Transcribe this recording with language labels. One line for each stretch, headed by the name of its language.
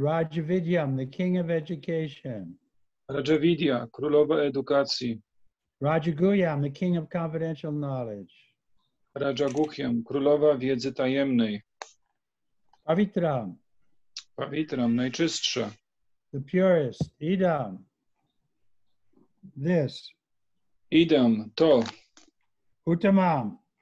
Sanskrit: Raja vidyam,
English: the king of education.
Sanskrit: Raja vidya,
Polish: królowa edukacji.
Sanskrit: Raja guhyam,
English: the king of confidential knowledge.
Sanskrit: Raja guhyam,
Polish: królowa wiedzy tajemnej.
Sanskrit: Pavitram. Pavitram,
Polish: najczystsze.
English: The purest.
Sanskrit: Idam.
English: This.
Sanskrit: Idam,
Polish: to.
Sanskrit: Uttamam.